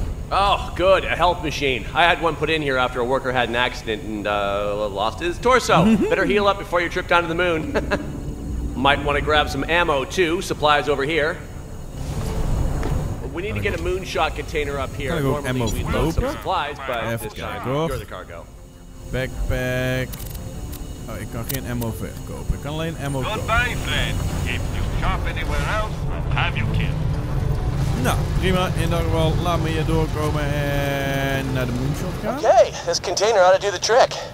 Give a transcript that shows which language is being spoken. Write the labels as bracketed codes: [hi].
[en] Oh, good. A health machine. I had one put in here after a worker had an accident and lost his torso. Better heal up before your trip down to the moon. Might want to grab some ammo, too. Supplies over here. We need to get a moonshot container up here. Normally, we'd load some supplies, but this time, you're the cargo. Backpack. [nl] Oh, ik kan geen ammo verkopen. Ik kan alleen ammo kopen. [en] Goodbye, friend. If you shop anywhere else, I'll have you killed. [nl] Nou, prima. In dat geval, laat me je doorkomen en naar de moonshot gaan. [en] Okay, this container ought to do the trick.